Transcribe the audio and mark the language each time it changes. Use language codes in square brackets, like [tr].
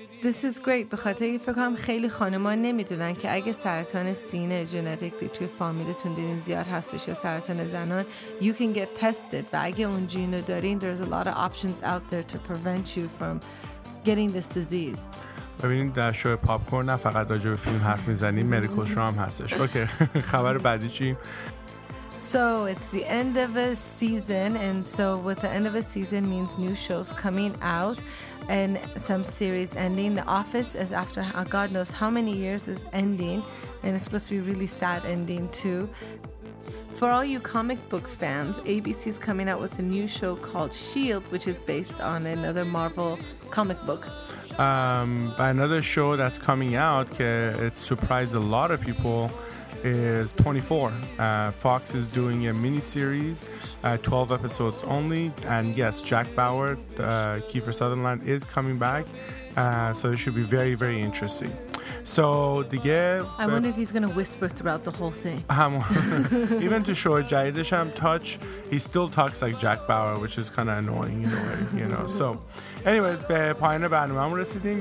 [en] This is great [fa] بخاطر اگه فکرم خیلی خانوما نمیدونن که اگه سرطان سینه جنتیکلی توی فامیلتون دیدین زیاد هستش یا سرطان زنان, [en] you can get tested [fa] و اگه اون جینو دارین [en] there's a lot of options out there to prevent you from getting this disease. [fa] ببینید در شو پاپ کورن نه فقط راجع به فیلم حرف میزنیم، مدیکال شو هم هستش. اوکی خبر بعدی چی؟ [en] So it's the end of a season, and so with the end of a season means new shows coming out and some series ending. The Office is after God knows how many years is ending, and it's supposed to be a really sad ending too. For all you comic book fans, ABC is coming out with a new show called S.H.I.E.L.D., which is based on another Marvel comic book. By another show that's coming out, it surprised a lot of people. Is 24. Fox is doing a mini series, 12 episodes only. And yes, Jack Bauer, Kiefer Sutherland is coming back. So it should be very, very interesting. So دیگه I wonder if he's going to whisper throughout the whole thing. Even to show [fa] جدیدش هم [en] touch, he still talks like Jack Bauer, which is kind of annoying, you know. [fa] So anyways, به پایان برنامه هم رسیدیم.